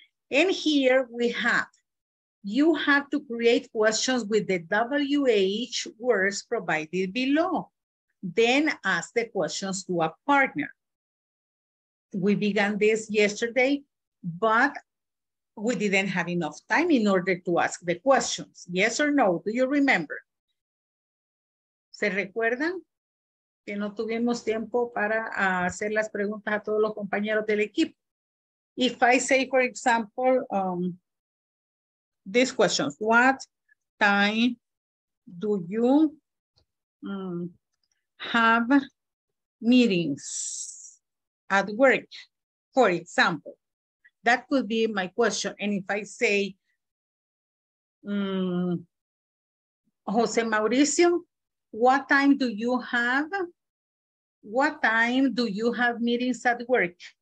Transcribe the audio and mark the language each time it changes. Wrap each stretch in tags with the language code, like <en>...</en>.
<en>And here we have, you have to create questions with the WH words provided below. Then ask the questions to a partner. We began this yesterday, but we didn't have enough time in order to ask the questions. Yes or no? Do you remember?</en> <es>¿Se recuerdan? Que no tuvimos tiempo para hacer las preguntas a todos los compañeros del equipo.</es> <en>If I say, for example, this question, what time do you have meetings at work? For example, that could be my question. And if I say, Jose Mauricio, what time do you have meetings at work?</en>